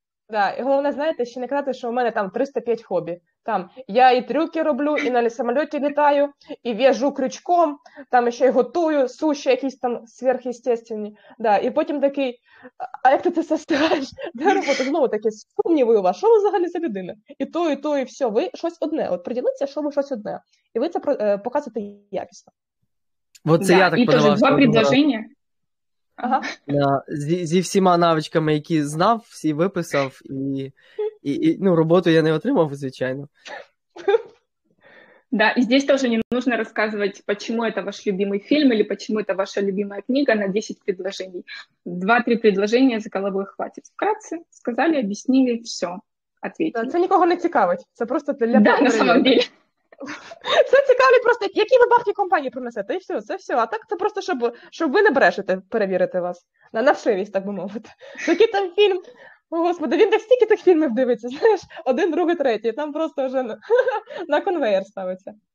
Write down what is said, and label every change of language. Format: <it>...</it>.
<ru>Да, и главное, знаете, еще не казалось, что у меня там 305 хобби. Там я и трюки</ru> <uk>роблю,</uk> <ru>и на самолете летаю, и вяжу крючком, там еще и</ru> <uk>готую</uk> <ru>суши какие-то там сверхъестественные. Да, и потом такой, а как ты это составишь? Да, работа, снова такие, сумневаю вас, что вы</ru> <uk>взагалі за людина?</uk> <ru>И то, и все, вы что-то одне. Вот приделиться, что вы что-то одне. И вы это показываете</ru> <uk>якісно.</uk> <ru>Вот это да, я так подавал. Да, и тоже два предложения. Ага.</ru> <uk>Зі всіма навичками, які знав, всі виписав, і ну, роботу я не отримав, звичайно.</uk> <ru>Да, и здесь тоже не нужно рассказывать, почему это ваш любимый фильм или почему это ваша любимая книга на 10 предложений. 2-3 предложения за головой хватит. Вкратце сказали, объяснили, все, ответили. Это никого не</ru> <uk>цікавить.</uk> <ru>Это просто для проверки. Да, на самом деле.</ru> <uk>Це цікавить просто, які ви бахні компанії принесете, і все, це все. А так це просто, щоб, щоб ви не брешете, перевірити вас. На вшивість, так би мовити. Такий там фільм, о, господи, він так стільки тих фільмів дивиться, знаєш, один, другий, третій, там просто вже на конвейер ставиться.</uk>